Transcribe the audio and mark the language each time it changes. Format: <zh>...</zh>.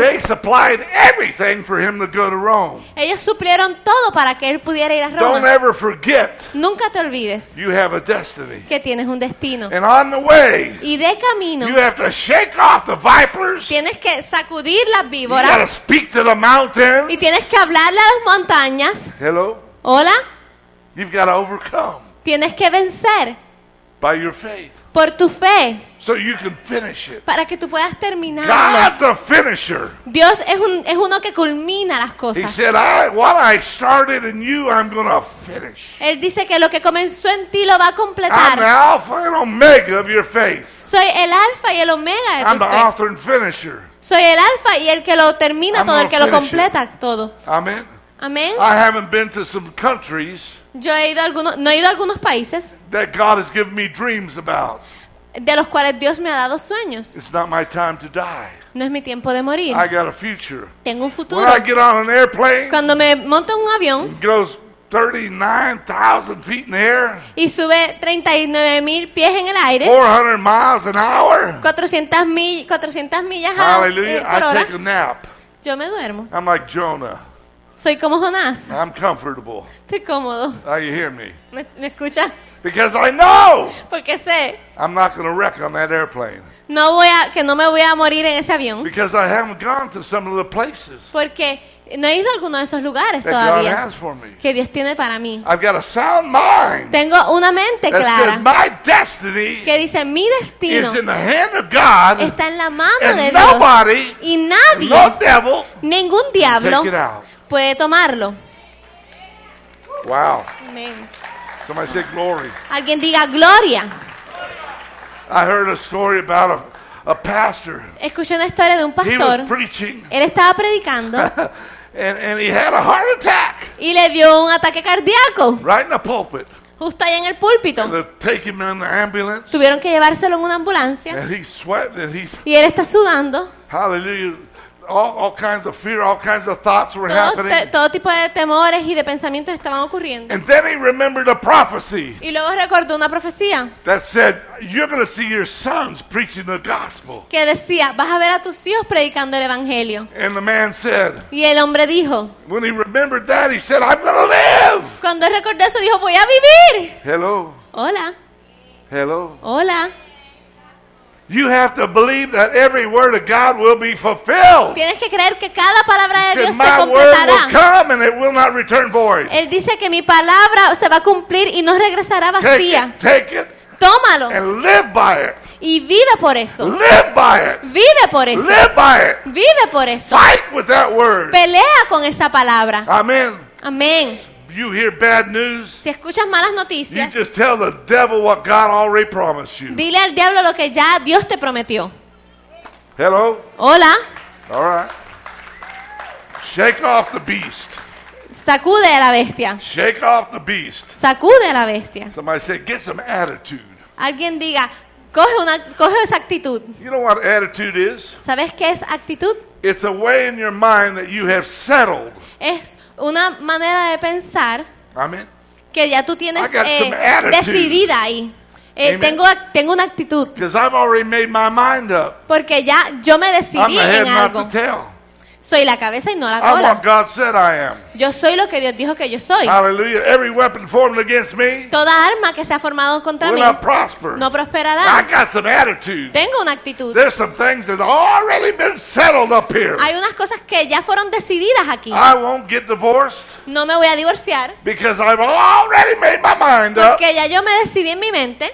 <en>they supplied everything for him to go to Rome.</en> <es>Ellos suplieron todo para que él pudiera ir a Roma.</es> <en>Don't ever forget.</en> <es>Nunca te olvides.</es> <en>You have a destiny.</en> <es>Que tienes un destino.</es> <en>And on the way,</en> <es>y de camino,</es> <en>you have to shake off the vipers.</en> <es>Tienes que sacudir las víboras.</es> <en>You gotta speak to the mountains.</en> <es>Y tienes que hablarle a las montañas.</es> <en>Hello.</en> <es>Hola.</es> <en>You've got to overcome.</en> <es>Tienes que vencer.</es> <en>By your faith.</en> <es>Por tu fe.</es> <en>So you can finish it.</en> <es>Para que tú puedas terminar.</es> <en>God's a finisher.</en> <es>Dios es uno que culmina las cosas.</es> <en>He said, what I started in you, I'm going to finish.</en> <es>Él dice que lo que comenzó en ti lo va a completar.</es> <en>I'm the Alpha and Omega of your faith.</en> <es>Soy el Alfa y el Omega de tu fe.</es> <en>I'm the author and finisher.</en> <es>Soy el Alfa y el que lo termina todo, el que lo completa todo.</es> <en>Amen.</en> <es>Amen.</es> <en>I haven't been to some countries.</en> <es>Yo he ido a algunos, no he ido a algunos países.</es> <en>That God has given me dreams about.</en> <es>De los cuales Dios me ha dado sueños.</es> <en>It's not my time to die.</en> <es>No es mi tiempo de morir.</es> <en>I got a future.</en> <es>Tengo un futuro.</es> <en>When I get on an airplane.</en> <es>Cuando me monto en un avión.</es> <en>Goes 39,000 feet in the air.</en> <es>Y sube 39,000 pies en el aire.</es> <en>400 miles an hour.</en> <es>400 millas por hora.</es> <en>Hallelujah. I take a nap.</en> <es>Yo me duermo.</es> <en>I'm like Jonah.</en> <es>Soy como Jonás.</es> <en>I'm comfortable.</en> <es>Estoy cómodo.</es> <en>Are you hear me?</en> <es>¿Me escucha?</es> <en>Because I know.</en> <es>Porque sé.</es> <en>I'm not going to wreck on that airplane.</en> <es>No voy a que no me voy a morir en ese avión.</es> <en>Because I haven't gone to some of the places.</en> <es>Porque no he ido a alguno de esos lugares</es> <en>that</en> <es>todavía.</es> <en>God has for me.</en> <es>Que Dios tiene para mí.</es> <en>I've got a sound mind.</en> <es>Tengo una mente clara.</es> <en>That says my destiny.</en> <es>Que dice mi destino.</es> <en>Is in the hand of God.</en> <es>Está en la mano</es> <en>and</en> <es>de Dios.</es> <en>Nobody.</en> <es>Y nadie.</es> <en>No devil.</en> <es>Ningún diablo.</es> <en>Can take it out.</en> <es>Puede tomarlo.</es> <en>Wow.</en> <es>Amen.</es> <en>Somebody say glory.</en> <es>Alguien diga gloria.</es> <en>I heard a story about a pastor.</en> <es>Escuché una historia de un pastor.</es> <en>He was preaching.</en> <es>Él estaba predicando.</es> <en>and he had a heart attack.</en> <es>Y le dio un ataque cardíaco.</es> <en>Right in the pulpit.</en> <es>Justo ahí en el púlpito.</es> <en>And they take him in the ambulance.</en> <es>Tuvieron que llevárselo en una ambulancia.</es> <en>And he's sweating and he's.</en> <es>Y él está sudando.</es> <en>Hallelujah. All kinds of fear, all kinds of thoughts were happening.</en> <es>Todo tipo de temores y de pensamientos estaban ocurriendo.</es> <en>And then he remembered a prophecy.</en> <es>Y luego recordó una profecía.</es> <en>That said, you're going to see your sons preaching the gospel.</en> <es>Que decía, vas a ver a tus hijos predicando el evangelio.</es> <en>And the man said.</en> <es>Y el hombre dijo.</es> <en>When he remembered that, he said, I'm going to live.</en> <es>Cuando recordó eso, dijo, voy a vivir.</es> <en>Hello.</en> <es>Hola.</es> <en>Hello.</en> <es>Hola.</es> <en>You have to believe that every word of God will be fulfilled.</en> <es>Tienes que creer que cada palabra de Dios se</es> <en>completará. My word will come and it will not return void.</en> <es>Él dice que mi palabra se va a cumplir y no regresará vacía.</es> <en>Take it.</en> <es>Tómalo.</es> <en>And live by it.</en> <es>Y vive por eso.</es> <en>Live by it.</en> <es>Vive por eso.</es> <en>Live by it.</en> <es>Vive por eso.</es> <en>Fight with that word.</en> <es>Pelea con esa palabra.</es> <en>Amen.</en> <es>Amen.</es> <en>You hear bad news?</en> <es>Si escuchas malas noticias,</es> <en>you just tell the devil what God already promised you.</en> <es>Dile al diablo lo que ya Dios te prometió.</es> <en>Hello.</en> <es>Hola.</es> <en>All right. Shake off the beast.</en> <es>Sacude a la bestia.</es> <en>Shake off the beast.</en> <es>Sacude a la bestia.</es> <en>Somebody say, get some attitude.</en> <es>Alguien diga, coge esa actitud.</es> <en>You know what attitude is?</en> <es>¿Sabes qué es actitud?</es> <en>It's a way in your mind that you have settled.</en> <es>Es una manera de pensar.</es> <en>Amen.</en> <es>Que ya tú tienes decidida ahí. Tengo una actitud.</es> <en>Because I've already made my mind up.</en> <es>Porque ya yo me decidí</es> <en>I'm the head,</en> <es>en algo.</es> <en>Not the tail.</en> <es>Soy la cabeza y no la cola.</es> <en>I'm what God said I am.</en> <es>Yo soy lo que Dios dijo que yo soy.</es> <en>Hallelujah. Every weapon formed against me.</en> <es>Toda arma que se ha formado contra</es> <en>will</en> <es>mí.</es> <en>Not prosper.</en> <es>No prosperará.</es> <en>I got some attitude.</en> <es>Tengo una actitud.</es> <en>There's some things that already been settled up here.</en> <es>Hay unas cosas que ya fueron decididas aquí.</es> <en>I won't get divorced.</en> <es>No me voy a divorciar.</es> <en>Because I've already made my mind up.</en> <es>Porque ya yo me decidí en mi mente.</es>